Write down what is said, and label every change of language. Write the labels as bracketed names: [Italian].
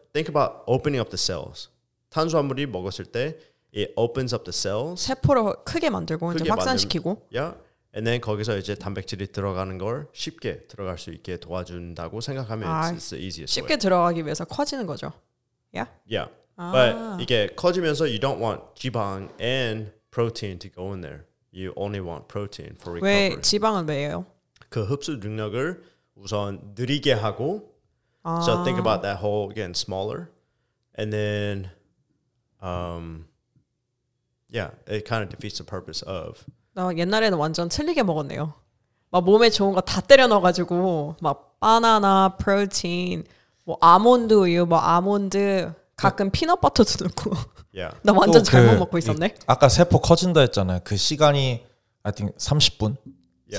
[English] Think about opening up the cells. [Korean] 탄수화물이 먹었을 때 [English] it opens up the cells. [Korean] 세포를 크게 만들고 크게 이제 확산시키고. 만들, [English] yeah. And then [Korean] 거기서 이제 단백질이 들어가는 걸 쉽게 들어갈 수 있게 도와준다고 생각하면 아, [English] it's the easiest [Korean] 쉽게 [English] way. [Korean] 들어가기 위해서 커지는 거죠. [English] Yeah? Yeah. 아. But [Korean] 이게 커지면서 [English] you don't want 지방 and protein to go in there. You only want protein for recovery. [Korean] 왜 지방은 왜요? 그 흡수 능력을 우선 느리게 하고 아. [English] So think about that whole again smaller. And then yeah, it kind of defeats the purpose of [Korean] 나 옛날에는 완전 틀리게 먹었네요. 막 몸에 좋은 거 다 때려 넣어가지고 막 바나나, 프로틴, 뭐 아몬드 우유, 뭐 아몬드, 가끔 피넛 버터도 넣고. [English] Yeah. [Korean] 나 완전 잘못 그, 먹고 있었네. 이, 아까 세포 커진다 했잖아요. 그 시간이 [English] I think [Korean] 30분. [English] Yeah.